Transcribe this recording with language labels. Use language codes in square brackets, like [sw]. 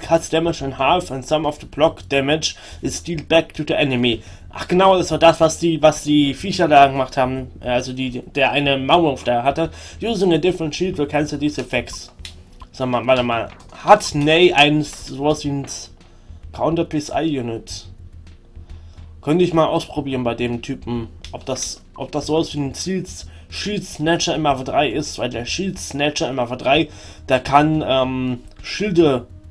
[en] Cuts damage in half and some of the block damage is dealt back to the enemy. [de] Ach genau, das war das, was die Viecher da gemacht haben. Also der eine Maulwurf da hatte. [en] Using a different shield will cancel these effects. [de] Sag mal, warte mal. Hat Ney ein sowas wie ein Counter PSI Unit? Könnte ich mal ausprobieren bei dem Typen, ob das sowas wie ein Shield Snatcher im Alpha 3 ist, weil der Shield Snatcher im Alpha 3, der kann Schilde.